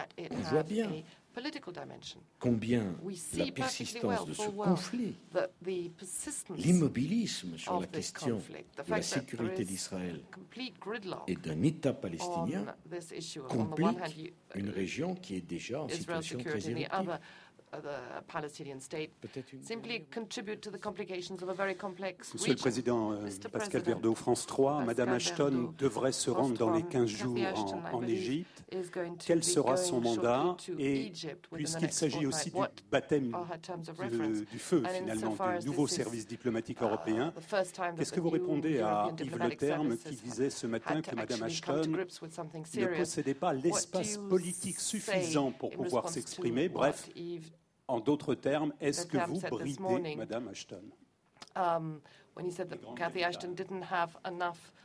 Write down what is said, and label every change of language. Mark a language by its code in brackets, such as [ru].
[fr] On voit bien combien la persistance de ce conflit, l'immobilisme sur la question de la sécurité d'Israël et d'un État palestinien complique une région qui est déjà en situation très irritée. [en] The Palestinian state simply contribute to the complications of a very complex region. [fr] Monsieur le Président, Pascal Verdeau, France 3, Madame Ashton devrait se rendre dans les 15 jours en Égypte. Quel sera son mandat? Et puisqu'il s'agit aussi du baptême du feu, finalement, du nouveau service diplomatique européen, qu'est-ce que vous répondez à Yves Leterme qui disait ce matin que Madame Ashton ne possédait pas l'espace politique suffisant pour pouvoir s'exprimer? Bref, en d'autres termes, est-ce que vous bridez Madame Ashton? [en] When he said that Cathy Ashton didn't have enough